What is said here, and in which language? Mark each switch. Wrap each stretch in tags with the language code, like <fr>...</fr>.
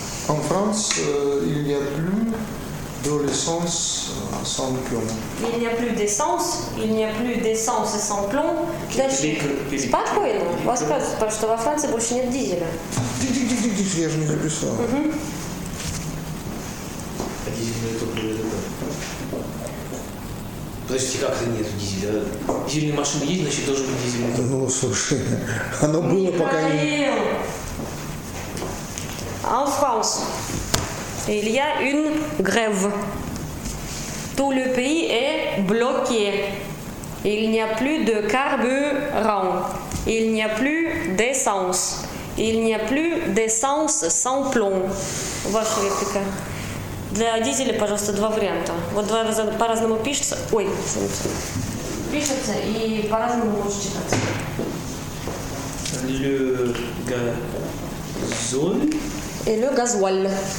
<fr>En France, il n'y a plus de l'essence sans plomb. Il n'y a plus d'essence, sans plomb.</fr> <ru>Спокойно. Вас спрашивают, потому что во Франции больше нет дизеля. Я же не записал. Дизельное топливо это как? Подождите, как это нет дизеля? Дизельные машины есть, значит, должен быть дизельный топливо. Ну, слушай, оно было пока не...</ru> <fr>En France, il y a une grève. Tout le pays est bloqué. Il n'y a plus de carburant. Il n'y a plus d'essence. Il n'y a plus d'essence sans plomb.</fr> <ru>Ваша реплика. Для дизеля, пожалуйста, два варианта. Вот два раза по-разному пишется. Ой, пишется, и по-разному можешь читаться.</ru> <fr>Le gazole. Et le gasoile.</fr>